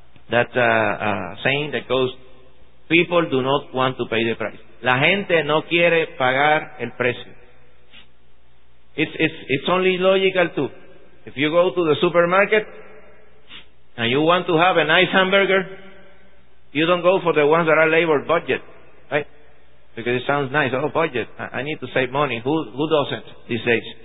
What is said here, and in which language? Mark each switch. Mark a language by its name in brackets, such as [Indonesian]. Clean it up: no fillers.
[English] Saying that goes, people do not want to pay the price. [Spanish] La gente no quiere pagar el precio. [English] It's only logical too. If you go to the supermarket and you want to have a nice hamburger, you don't go for the ones that are labeled budget, right? Because it sounds nice. Oh, budget. I need to save money. Who doesn't these days?